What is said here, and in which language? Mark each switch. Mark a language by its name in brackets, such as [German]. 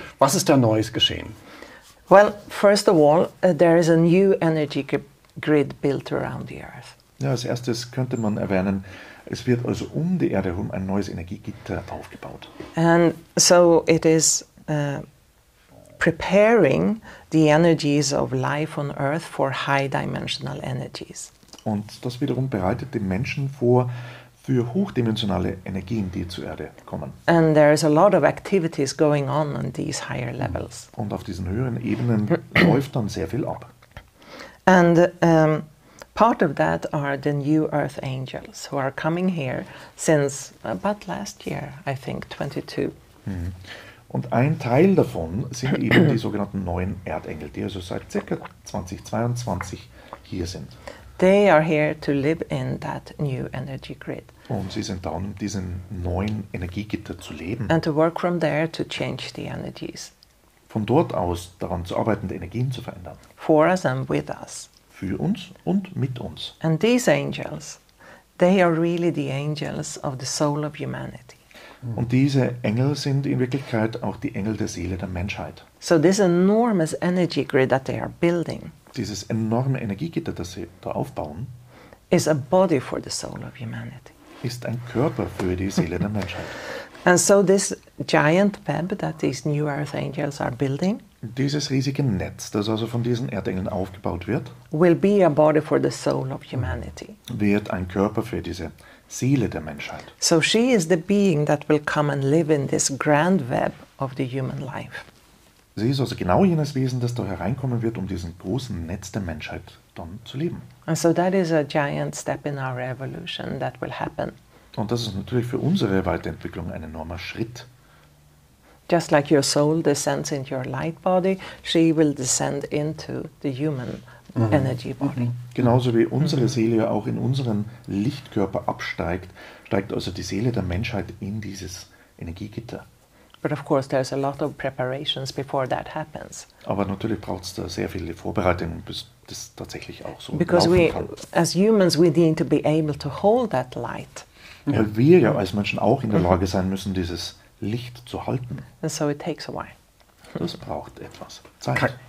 [German] Was ist da Neues geschehen? [English] Well, first of all, there is a new energy grid built around the Earth. [German] Ja, als erstes könnte man erwähnen, es wird also um die Erde herum ein neues Energiegitter aufgebaut. [English] And so it is preparing the energies of life on Earth for high dimensional energies. [German] Und das wiederum bereitet den Menschen vor für hochdimensionale Energien, die zur Erde kommen. [English] And there is a lot of activities going on these higher levels. [German] Und auf diesen höheren Ebenen läuft dann sehr viel ab. [English] And part of that are the new Earth angels who are coming here since about last year, I think, 22. [German] Und ein Teil davon sind eben die sogenannten neuen Erdengel, die also seit ca. 2022 hier sind. [English] They are here to live in that new energy grid. [German] Und sie sind da, um diesen neuen Energiegitter zu leben. [English] And to work from there to change the energies. [German] Von dort aus daran zu arbeiten, die Energien zu verändern. [English] For us and with us. [German] Für uns und mit uns. [English] And these angels, they are really the angels of the soul of humanity. [German] Und diese Engel sind in Wirklichkeit auch die Engel der Seele der Menschheit. [English] So this enormous energy grid that they are building. [German] Dieses enorme Energiegitter, das sie da aufbauen, [English] is a body for the soul of humanity. [German] Ist ein Körper für die Seele der Menschheit. [English] And so this giant web that these new Earth angels are building, [German] dieses riesige Netz, das also von diesen Erdengeln aufgebaut wird, [English] will be a body for the soul of humanity. [German] Wird ein Körper für diese Seele der Menschheit. [English] So she is the being that will come and live in this grand web of the human life. [German] Sie ist also genau jenes Wesen, das da hereinkommen wird, um diesen großen Netz der Menschheit dann zu leben. [English] And so that is a giant step in our evolution that will happen. [German] Und das ist natürlich für unsere Weiterentwicklung ein enormer Schritt. [English] Just like your soul descends into your light body, she will descend into the human energy body. [German] Genauso wie unsere Seele ja auch in unseren Lichtkörper absteigt, steigt also die Seele der Menschheit in dieses Energiegitter. [English] But of course there's a lot of preparations before that happens. [German] Aber natürlich braucht's da sehr viele Vorbereitungen, bis das tatsächlich auch so [English] Because [German] laufen [English] we, [German] kann. [English] As humans we need to be able to hold that light. [German] Ja, wir ja als Menschen auch in der Lage sein müssen, dieses Licht zu halten. [English] And so it takes a while. [German] Das braucht etwas Zeit.